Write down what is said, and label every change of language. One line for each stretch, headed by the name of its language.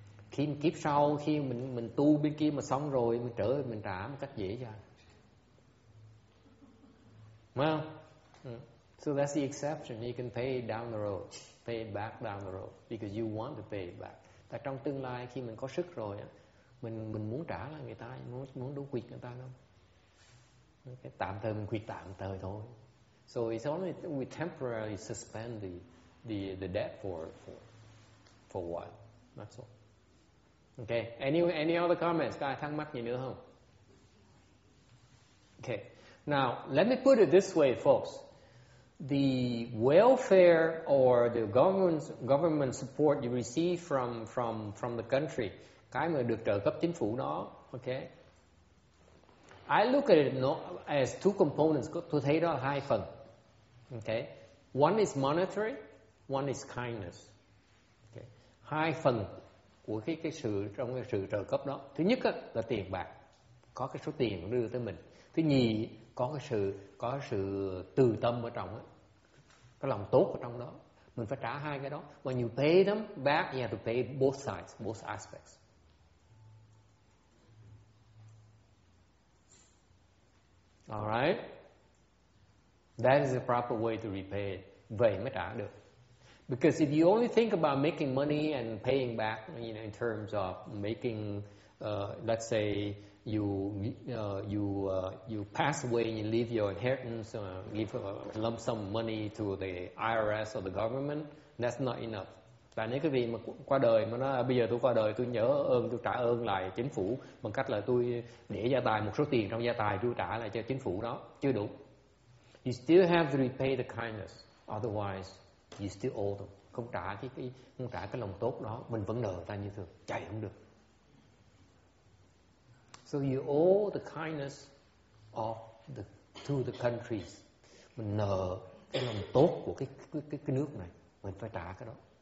Vietnamese: Khi kiếp sau, khi mình tu bên kia mà xong rồi, mình trở mình trả một cách dễ dàng.
English: Well, so that's the exception. You can pay it down the road, pay it back down the road, because you want to pay it back.
Vietnamese: Tại trong tương lai khi mình có sức rồi, mình muốn trả lại người ta, muốn đủ quyệt người ta không? Okay, tạm thời mình quyệt tạm thời thôi.
English: So it's only we temporarily suspend the debt for a while. That's all. Okay. Any other comments?
Vietnamese: Có ai thắc mắc gì nữa không?
English: Okay. Now, let me put it this way, folks. The welfare or the government support you receive from the country,
Vietnamese: cái mà được trợ cấp chính phủ đó,
English: okay? I look at it as two components.
Vietnamese: Tôi thấy đó là hai phần,
English: okay? One is monetary, one is kindness. Okay?
Vietnamese: Hai phần của cái sự trợ cấp đó. Thứ nhất là tiền bạc, có cái số tiền đưa tới mình. Thứ nhì, có sự từ tâm ở trong đó, có lòng tốt ở trong đó, mình phải trả hai cái đó.
English: When you pay them back, you have to pay both sides, both aspects. All right. That is the proper way to repay it.
Vietnamese: Vậy mới trả được.
English: Because if you only think about making money and paying back, you know, in terms of making, let's say you pass away and you leave your inheritance, leave a lump sum of money to the IRS or the government, that's not enough.
Vietnamese: Và nếu cái gì mà qua đời mà nó bây giờ tôi qua đời tôi nhớ ơn tôi trả ơn lại chính phủ bằng cách là tôi để gia tài một số tiền trong gia tài tôi trả lại cho chính phủ đó chưa đủ.
English: You still have to repay the kindness, otherwise you still owe them.
Vietnamese: Không trả cái lòng tốt đó mình vẫn nợ ta như thường, chạy không được.
English: So you owe the kindness of the to the countries.
Vietnamese: Mình nợ cái lòng tốt của cái nước này, mình phải trả cái đó.